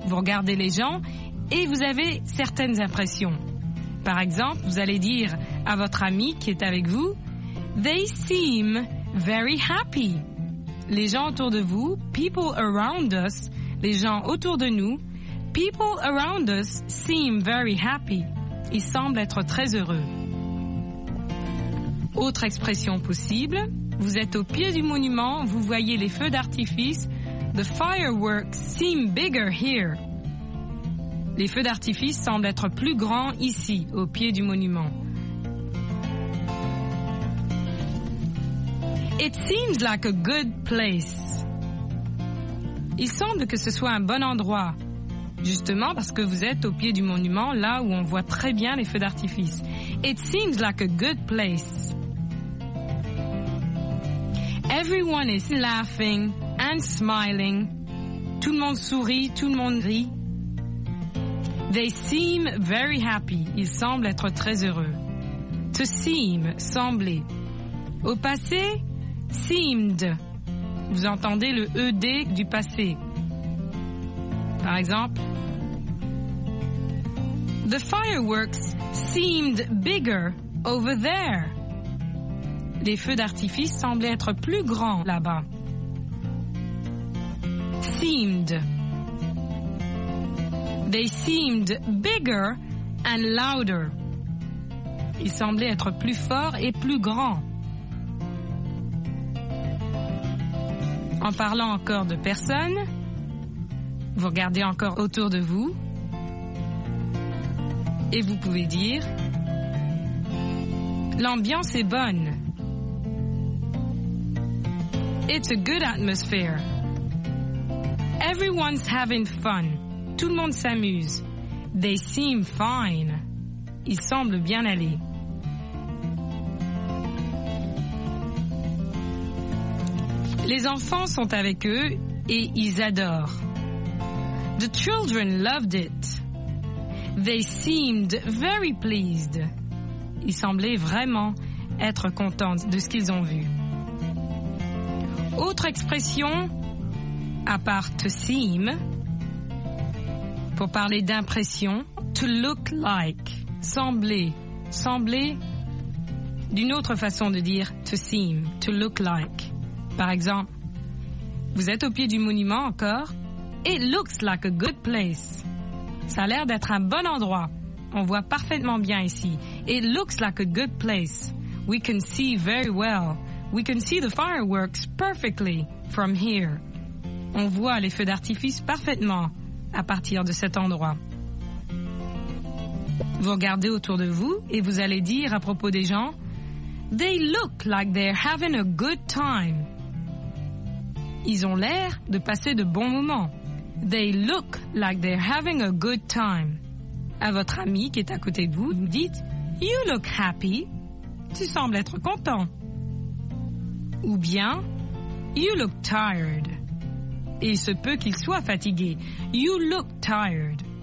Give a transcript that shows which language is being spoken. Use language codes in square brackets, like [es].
[fr] Vous regardez les gens et vous avez certaines impressions. Par exemple, vous allez dire à votre ami qui est avec vous, « [en] They seem very happy. [fr] » Les gens autour de vous, « [en] People around us [fr] », les gens autour de nous, « [en] people around us seem very happy. [fr] Ils semblent être très heureux. Autre expression possible, vous êtes au pied du monument, vous voyez les feux d'artifice. [en] The fireworks seem bigger here. [fr] Les feux d'artifice semblent être plus grands ici, au pied du monument. [en] It seems like a good place. [fr] Il semble que ce soit un bon endroit, justement parce que vous êtes au pied du monument, là où on voit très bien les feux d'artifice. [en] It seems like a good place. Everyone is laughing and smiling. [fr] Tout le monde sourit, tout le monde rit. [en] They seem very happy. [fr] Ils semblent être très heureux. [en] To seem, [fr] sembler. Au passé, [en] seemed. [fr] Vous entendez le ED du passé. Par exemple, [en] the fireworks seemed bigger over there. [fr] Les feux d'artifice semblaient être plus grands là-bas. [en] Seemed. They seemed bigger and louder. [fr] Ils semblaient être plus forts et plus grands. En parlant encore de personnes, vous regardez encore autour de vous et vous pouvez dire l'ambiance est bonne. [en] It's a good atmosphere. Everyone's having fun. [fr] Tout le monde s'amuse. [en] They seem fine. [fr] Ils semblent bien aller. Les enfants sont avec eux et ils adorent. [en] The children loved it. They seemed very pleased. [fr] Ils semblaient vraiment être contents de ce qu'ils ont vu. Autre expression, à part [en] to seem, [fr] pour parler d'impression, [en] to look like, [fr] sembler, sembler, d'une autre façon de dire to seem, to look like. Par exemple, vous êtes au pied du monument encore. [en] It looks like a good place. [fr] Ça a l'air d'être un bon endroit. On voit parfaitement bien ici. [en] It looks like a good place. We can see very well. We can see the fireworks perfectly from here. [fr] On voit les feux d'artifice parfaitement à partir de cet endroit. Vous regardez autour de vous et vous allez dire à propos des gens, [en] they look like they're having a good time. [fr] Ils ont l'air de passer de bons moments. [en] They look like they're having a good time. [fr] À votre ami qui est à côté de vous, vous dites, [en] you look happy. [fr] Tu sembles être content. Ou bien, [en] you look tired. [fr] Et il se peut qu'il soit fatigué. [en] You look tired.